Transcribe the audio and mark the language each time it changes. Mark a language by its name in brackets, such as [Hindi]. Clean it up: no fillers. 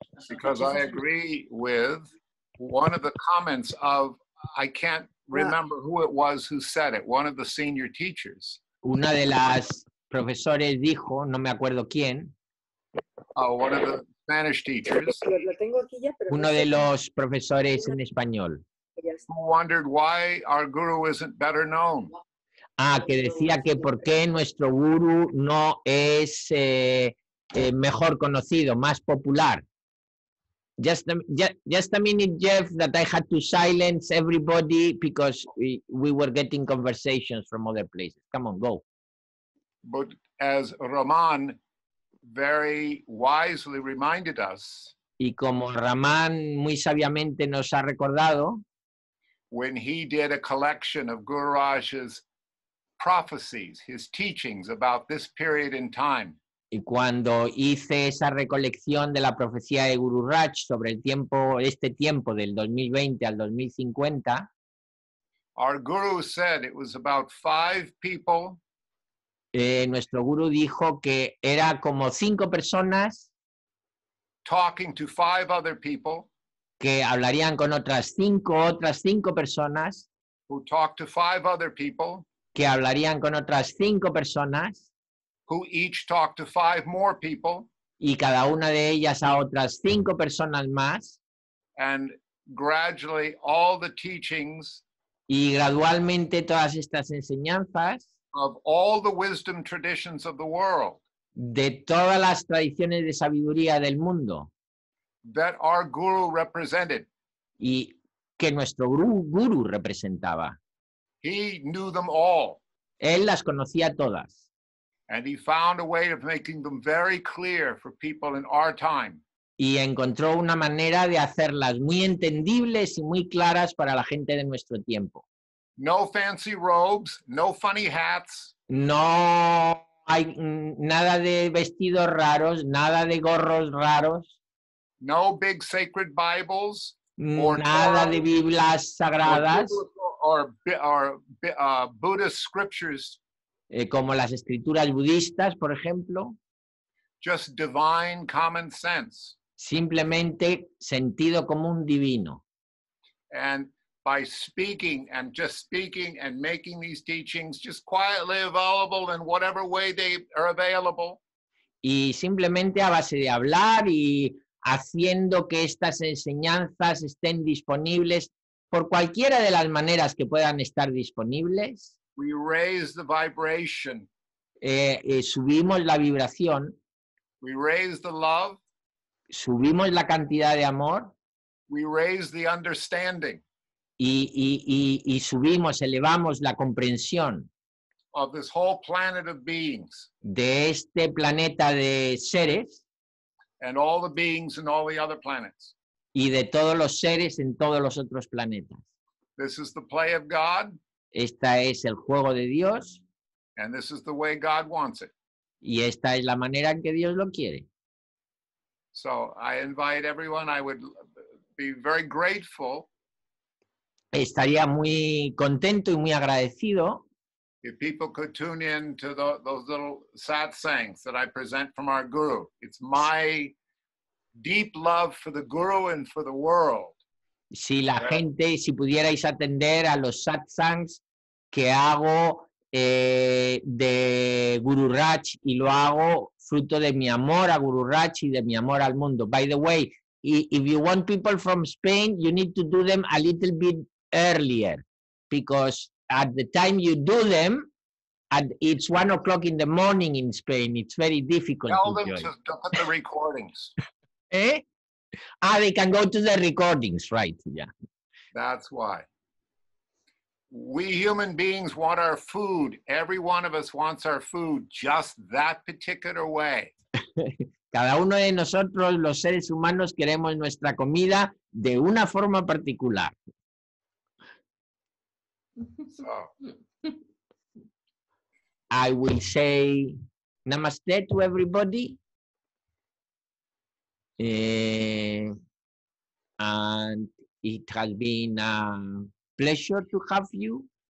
[English] Because I agree with one of the comments of, I can't remember who it was who said it, one of the senior teachers. [Spanish] Una de las profesores dijo, no me acuerdo quién. [English] Oh, one of the Spanish teachers. [Spanish] Uno de los profesores en español. [English] Who wondered why our guru isn't better known. [Spanish] Ah, que decía que por qué nuestro guru no es mejor conocido, más popular. [English] Just a minute, Jeff, that I had to silence everybody because we were getting conversations from other places. Come on, go. But as Roman very wisely reminded us, [Spanish] y como Roman muy sabiamente nos ha recordado, [English] when he did a collection of Guru Raj's prophecies, his teachings about this period in time. [Spanish] Y cuando hice esa recolección de la profecía de Guru Raj sobre el tiempo, este tiempo del 2020 al 2050, [English] our guru said it was about five people. [Spanish] Nuestro guru dijo que era como cinco personas [English] talking to five other people, [Spanish] que hablarían con otras cinco personas, [English] who talked to five other people, [Spanish] que hablarían con otras cinco personas, [English] who each talked to five more people, [Spanish] y cada una de ellas a otras cinco personas más, [English] and gradually all the teachings, [Spanish] y gradualmente todas estas enseñanzas, [English] of all the wisdom traditions of the world, [Spanish] de todas las tradiciones de sabiduría del mundo, [English] that our guru represented, [Spanish] y que nuestro guru representaba. [English] He knew them all. [Spanish] Él las conocía todas. [English] And he found a way of making them very clear for people in our time. [Spanish] Y encontró una manera de hacerlas muy entendibles y muy claras para la gente de nuestro tiempo. [English] No fancy robes, no funny hats. [Spanish] No hay nada de vestidos raros, nada de gorros raros. [English] No big sacred Bibles. [Spanish] Nada de Biblias sagradas. [English] Or Buddhist scriptures, [Spanish] como las escrituras budistas, por ejemplo. [English] Just divine common sense. [Spanish] Simplemente sentido común divino. [English] And by speaking and just speaking and making these teachings just quietly available in whatever way they are available. [Spanish] Y simplemente a base de hablar y haciendo que estas enseñanzas estén disponibles por cualquiera de las maneras que puedan estar disponibles, [English] we raise the vibration. [Spanish] Subimos la vibración, [English] we raise the love. [Spanish] Subimos la cantidad de amor, [English] we raise the understanding. [Spanish] Y subimos, elevamos la comprensión [English] of this whole planet of beings. [Spanish] De este planeta de seres, [English] and all the beings and all the other planets. [Spanish] y de todos los seres en todos los otros planetas. [English] This is the play of God. [Spanish] Esta es el juego de Dios. [English] And this is the way God wants it. [Spanish] Y esta es la manera en que Dios lo quiere. [English] So I invite everyone, I would be very grateful. [Spanish] Estaría muy contento y muy agradecido. [English] If people could tune in to those little satsangs that I present from our guru. It's my deep love for the guru and for the world. [Spanish] Si la gente, si pudierais atender a los satsangs que hago de Guru Raj, y lo hago fruto de mi amor a Guru Raj y de mi amor al mundo. [English] By the way, if you want people from Spain, you need to do them a little bit earlier, because at the time you do them, and it's 1 o'clock in the morning in Spain, it's very difficult. Tell them to put the recordings. Eh? Ah, they can go to the recordings, right, yeah. That's why. We human beings want our food. Every one of us wants our food just that particular way. [Spanish] Cada uno de nosotros, los seres humanos, queremos nuestra comida de una forma particular. [English] So, I will say namaste to everybody. And it has been a pleasure to have you.